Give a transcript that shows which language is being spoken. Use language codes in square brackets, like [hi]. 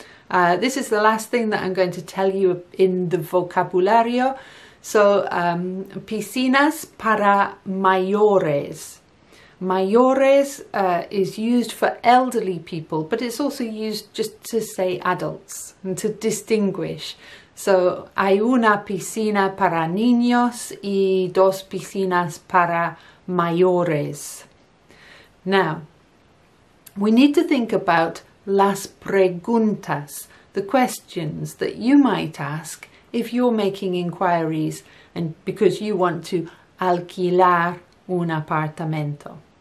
[en] This is the last thing that I'm going to tell you in the vocabulario. [es] So, piscinas para mayores. [en] Mayores is used for elderly people, but it's also used just to say adults and to distinguish. [es] So, hay una piscina para niños y dos piscinas para mayores. [en] Now, we need to think about [es] las preguntas, [en] the questions that you might ask if you're making inquiries and because you want to [es] alquilar un apartamento.